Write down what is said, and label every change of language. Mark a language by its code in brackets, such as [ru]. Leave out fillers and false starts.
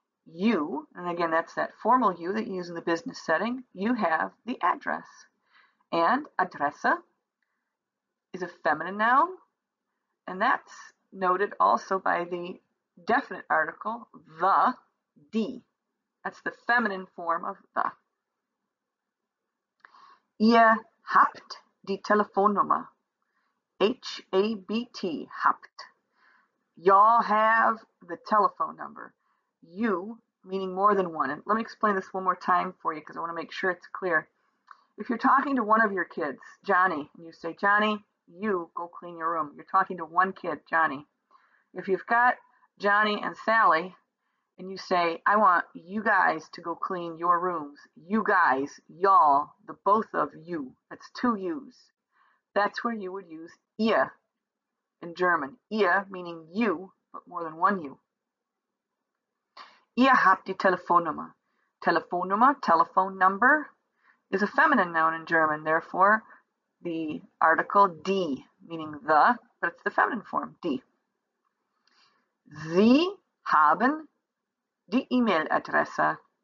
[en] You, and again, that's that formal you that you use in the business setting, you have the address. And adresse is a feminine noun, and that's noted also by the definite article, the, die. That's the feminine form of the. [de] Ihr habt die Telefonnummer. H-A-B-T, habt. [en] Y'all have the telephone number. You, meaning more than one. And let me explain this one more time for you because I want to make sure it's clear. If you're talking to one of your kids, Johnny, and you say, Johnny, you go clean your room. You're talking to one kid, Johnny. If you've got Johnny and Sally, and you say, I want you guys to go clean your rooms. You guys, y'all, the both of you. That's two you's. That's where you would use ihr in German. Ihr meaning you, but more than one you. [de] Ihr habt die Telefonnummer. [en] Telefonnummer, telephone number, is a feminine noun in German. Therefore, the article die, meaning the, but it's the feminine form, die. [de] Sie haben die E-Mail-Adresse.